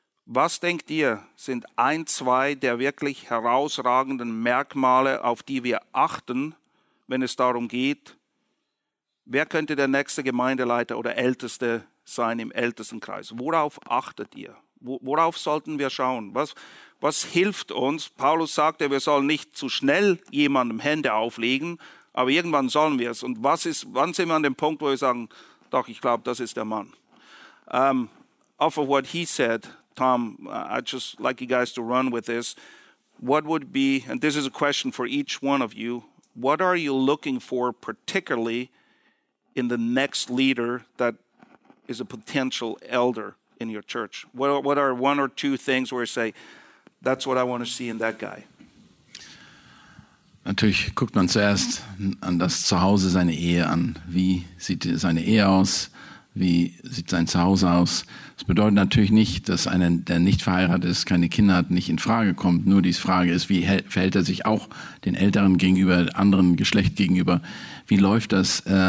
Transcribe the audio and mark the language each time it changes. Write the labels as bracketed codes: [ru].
[de] Was denkt ihr, sind ein, zwei der wirklich herausragenden Merkmale, auf die wir achten, wenn es darum geht, wer könnte der nächste Gemeindeleiter oder Älteste sein im Ältestenkreis? Worauf achtet ihr? Worauf sollten wir schauen? Was hilft uns? Paulus sagte, wir sollen nicht zu schnell jemandem Hände auflegen, aber irgendwann sollen wir es. Und wann sind wir an dem Punkt, wo wir sagen, doch, ich glaube, das ist der Mann? [en] Off of what he said, Tom, I'd just like you guys to run with this. What would be, and this is a question for each one of you, what are you looking for particularly in the next leader that is a potential elder in your church? What are one or two things where you say, that's what I want to see in that guy? [de] Natürlich guckt man zuerst an das Zuhause, seine Ehe an. Wie sieht seine Ehe aus? wie sieht sein Zuhause aus. Das bedeutet natürlich nicht, dass einer, der nicht verheiratet ist, keine Kinder hat, nicht in Frage kommt. Nur die Frage ist, wie verhält er sich auch den Älteren gegenüber, anderen Geschlecht gegenüber? Wie läuft das?